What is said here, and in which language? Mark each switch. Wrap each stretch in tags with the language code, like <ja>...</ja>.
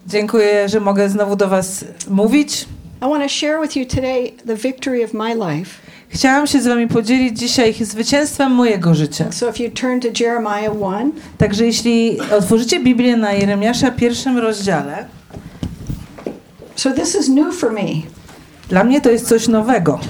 <pl>Dziękuję, że mogę znowu do was mówić.</pl> <en>I want to share with you today the victory of my life.</en> <pl>Chciałam się z wami podzielić dzisiaj zwycięstwem mojego życia.</pl> <en>So if you turn to Jeremiah 1,</en> <pl>także jeśli otworzycie Biblię na Jeremiasza w pierwszym rozdziale.</pl> <en>So this is new for me.</en> <pl>Dla mnie to jest coś nowego.</pl>